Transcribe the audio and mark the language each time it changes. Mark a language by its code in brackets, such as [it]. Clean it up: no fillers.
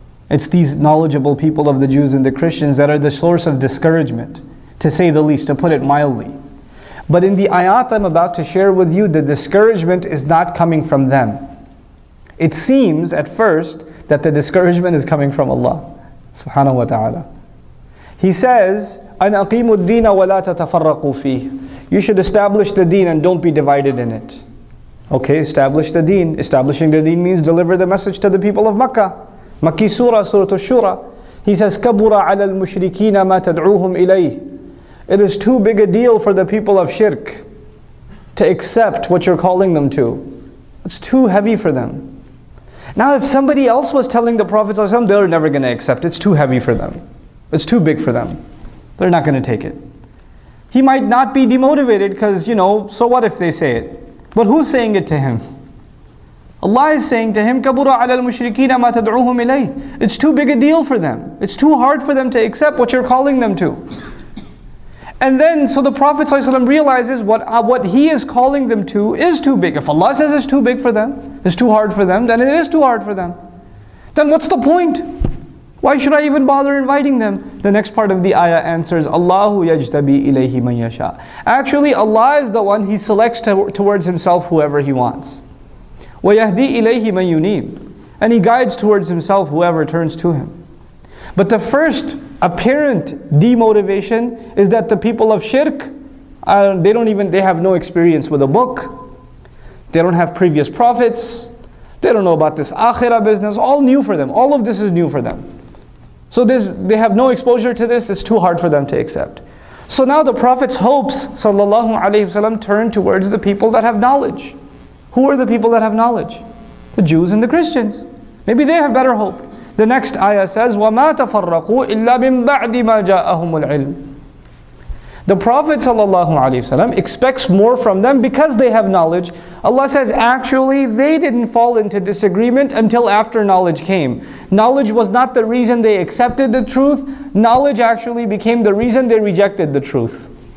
[en] It's these knowledgeable people of the Jews and the Christians that are the source of discouragement, to say the least, to put it mildly. But in the ayat I'm about to share with you, the discouragement is not coming from them. It seems at first that the discouragement is coming from Allah subhanahu wa ta'ala. He says, [ar] أَنْ أَقِيمُ الدِّينَ وَلَا تَتَفَرَّقُوا فِيهِ. [en] You should establish the deen and don't be divided in it. Okay, establish the deen. Establishing the deen means deliver the message to the people of Makkah. Makki surah, Surah Ash-Shura. He says, [ar] كَبُرَ عَلَى الْمُشْرِكِينَ مَا تَدْعُوهُمْ إِلَيْهِ. [en] It is too big a deal for the people of shirk to accept what you're calling them to. It's too heavy for them. Now if somebody else was telling the Prophet ﷺ, they're never going to accept. It's too heavy for them. It's too big for them. They're not going to take it. He might not be demotivated because, you know, so what if they say it? But who's saying it to him? Allah is saying to him, [ar] كَبُرَ عَلَى الْمُشْرِكِينَ مَا تَدْعُوهُمْ إِلَيْهِ. [en] It's too big a deal for them. It's too hard for them to accept what you're calling them to. And then, so the Prophet ﷺ realizes what he is calling them to is too big. If Allah says it's too big for them, it's too hard for them, then it is too hard for them. Then what's the point? Why should I even bother inviting them? The next part of the ayah answers, [ar] Allahu yajtabi ilayhi man yasha. [en] Actually, Allah is the one He selects towards Himself whoever He wants. [ar] Wa yahdi ilayhi man yunib. [en] And He guides towards Himself whoever turns to Him. But the first apparent demotivation is that the people of shirk, they have no experience with a book. They don't have previous prophets. They don't know about this akhirah business. All new for them. All of this is new for them. So this, they have no exposure to this. It's too hard for them to accept. So now the Prophet's hopes, sallallahu alaihi wasallam, turn towards the people that have knowledge. Who are the people that have knowledge? The Jews and the Christians. Maybe they have better hope. The next ayah says, [ar] وَمَا تَفَرَّقُوا إِلَّا مِنْ بَعْدِ مَا جَاءَهُمُ الْعِلْمِ. [en] The Prophet ﷺ expects more from them because they have knowledge. Allah says, actually, they didn't fall into disagreement until after knowledge came. Knowledge was not the reason they accepted the truth. Knowledge actually became the reason they rejected the truth.